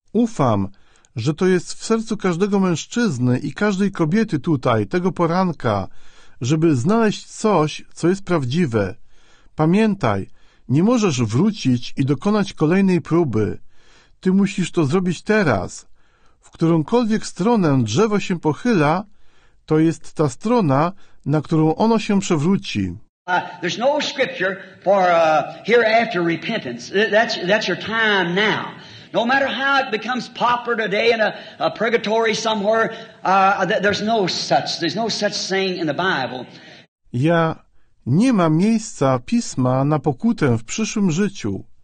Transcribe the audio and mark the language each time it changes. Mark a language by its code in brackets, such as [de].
[pl] Ufam, że to jest w sercu każdego mężczyzny i każdej kobiety tutaj, tego poranka, żeby znaleźć coś, co jest prawdziwe. Pamiętaj, nie możesz wrócić i dokonać kolejnej próby. Ty musisz to zrobić teraz. W którąkolwiek stronę drzewo się pochyla, to jest ta strona, na którą ono się przewróci. [en] There's no scripture for hereafter repentance. That's your time now. No matter how it becomes popular today in a purgatory somewhere, there's no such thing in the Bible. [pl] Ja nie ma miejsca pisma na pokutę w przyszłym życiu.